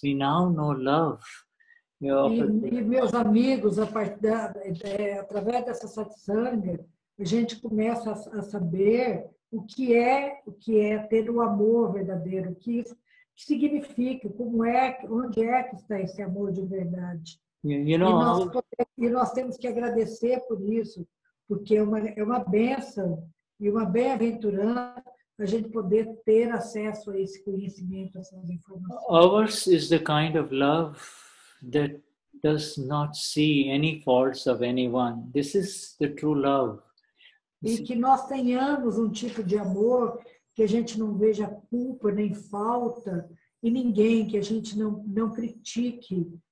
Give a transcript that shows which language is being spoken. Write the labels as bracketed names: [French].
[English] We now know love. [Portuguese] E meus amigos, através dessa satsang, a gente começa a saber o que é ter o amor verdadeiro, o que significa, como é, onde é que está esse amor de verdade. E nós temos que agradecer por isso, porque é uma bênção e uma bem-aventurança a gente poder ter acesso a esse conhecimento, a essas informações. [English] Ours is the kind of love that does not see any faults of anyone. This is the true love. [Portuguese] E que nós tenhamos um tipo de amor que a gente não veja culpa nem falta em ninguém, que a gente não critique.